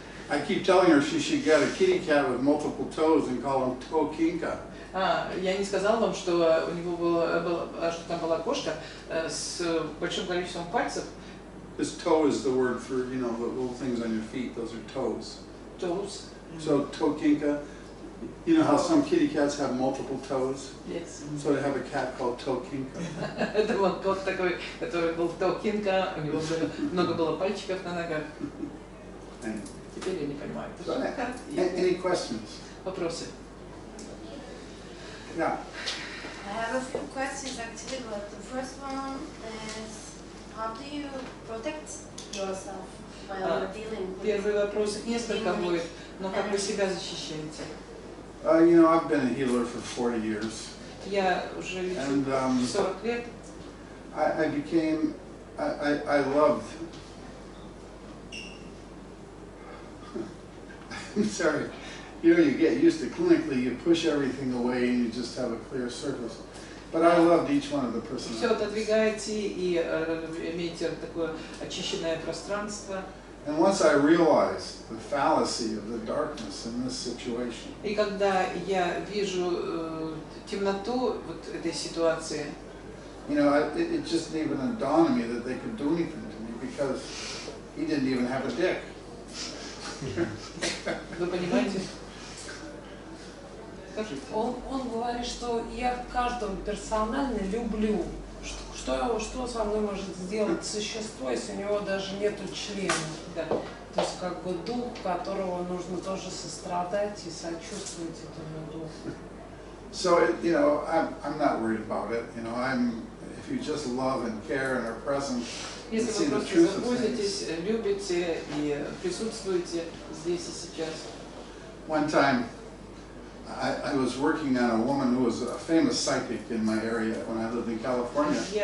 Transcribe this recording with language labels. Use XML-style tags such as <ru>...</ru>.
<en>I keep telling her she should get a kitty cat with multiple toes and call him Tokinka.</en> <ru>Я не сказал вам, что у него было, что там была кошка с большим количеством пальцев.</ru> <en>This toe is the word for, you know, the little things on your feet. Those are toes. Toes. So Tokinka, you know how some kitty cats have multiple toes? Yes. So they have a cat called Tokinka.</en> <ru>Это вот кот такой, который был Tokinka. У него много было пальчиков на ногах. Теперь я не понимаю.</ru> <en>Any questions?</en> <ru>Вопросы.</ru> <en>Yeah. I have a few questions actually, but the first one is, how do you protect yourself while dealing with?</en> <ru>Первый вопрос несколько будет, но как вы себя защищаете?</ru> <en>You know, I've been a healer for 40 years.</en> <ru>Я уже 40 лет.</ru> <en>I loved. I'm sorry. You know, you get used to clinically, you push everything away and you just have a clear surface. But I loved each one of the personalities. And once I realized the fallacy of the darkness in this situation, you know, it just didn't even dawn on me that they could do anything to me because he didn't even have a dick.</en> <ru>Он говорит, что я каждого персонально люблю. Что со мной может сделать существо, если у него даже нету члена? Да. То есть как бы дух, которого нужно тоже сострадать и сочувствовать этому духу.</ru> <en>So, you know, I'm not worried about it. You know, if you just love and care and are present,</en> <ru>если вы просто заботитесь, любите и присутствуете здесь и сейчас.</ru> <en>One time. I was working on a woman who was a famous psychic in my area when I lived in California.</en>